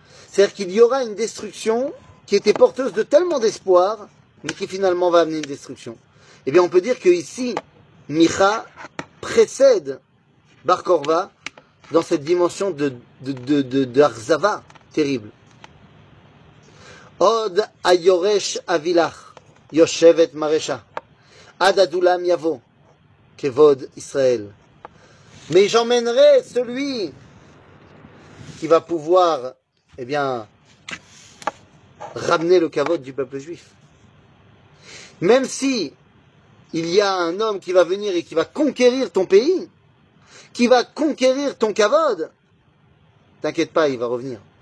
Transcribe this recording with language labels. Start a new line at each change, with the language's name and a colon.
French: C'est-à-dire qu'il y aura une destruction qui était porteuse de tellement d'espoir, mais qui finalement va amener une destruction. Eh bien, on peut dire que ici, Micha précède Bar Korva dans cette dimension de Arzava terrible.
Hebrew: עוד היורש אבילך יושבת מרשה עד אדולם יבוא כבוד ישראל.
French: Mais j'emmènerai celui qui va pouvoir, eh bien, ramener le kavod du peuple juif. Même si il y a un homme qui va venir et qui va conquérir ton pays, qui va conquérir ton kavod, T'inquiète pas, il va revenir.